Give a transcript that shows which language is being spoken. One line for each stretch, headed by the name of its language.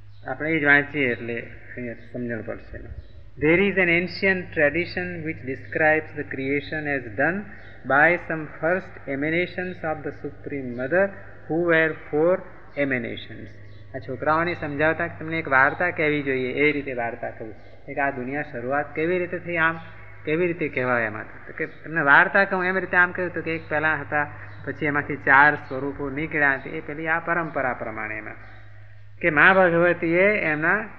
Gujarati: આપણે એ જ વાંચીએ એટલે અહીંયા સમજણ પડશે.
English: There is an ancient tradition which describes the creation as done by some first emanations of the Supreme Mother who were 4 emanations.
Gujarati: આ છોકરાઓને સમજાવતા કે તમને એક વાર્તા કહેવી જોઈએ, એ રીતે વાર્તા કહું કે આ દુનિયા શરૂઆત કેવી રીતે થઈ, આમ કેવી રીતે કહેવાય એમાં, તો કે તમને વાર્તા કહું એમ રીતે આમ કહ્યું, તો કે એક પહેલાં હતા પછી એમાંથી 4 સ્વરૂપો નીકળ્યા, એ પેલી આ પરંપરા પ્રમાણે એમાં કે મા ભગવતીએ એમના